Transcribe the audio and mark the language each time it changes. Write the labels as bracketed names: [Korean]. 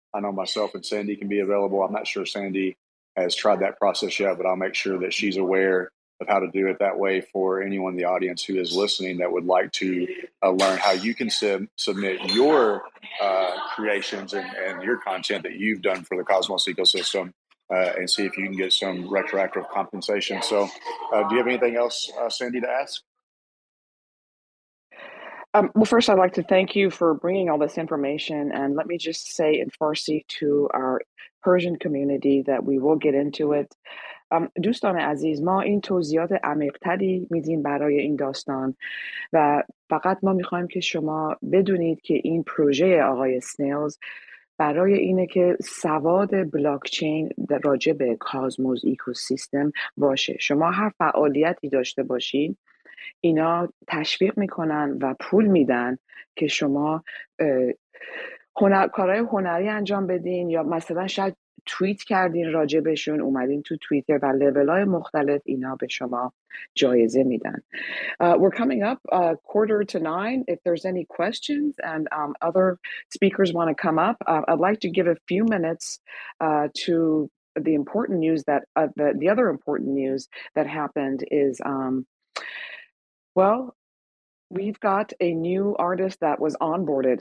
[English] I know myself and Sandy can be available. I'm not sure Sandy has tried that process yet, but I'll make sure that she's aware of how to do it that way for anyone in the audience who is listening that would like to learn how you can submit your creations and your content that you've done for the Cosmos ecosystem and see if you can get some retroactive compensation. So do you have anything else, Sandy, to ask? Well, first, I'd like to thank you for bringing all this information. And let me just say in Farsi to our Persian community that we will get into it. [Persian] دوستان عزیز، ما این توضیحات عمیق‌تری میدیم برای این داستان و فقط ما میخواییم که شما بدونید که این پروژه آقای سنیلز برای اینه که سواد بلاکچین راجع به کازموز ایکوسیستم باشه. شما هر فعالیتی داشته باشید، اینا تشویق میکنن و پول میدن که شما کارهای هنری انجام بدین، یا مثلا شاید توییت کردین راجبشون، اومدین تو توییتر و لیولای مختلف اینا به شما جایزه میدن. [English] We're coming up quarter to nine. If there's any questions and other speakers want to come up, I'd like to give a few minutes to the important news that the other important news that happened is we've got a new artist that was onboarded.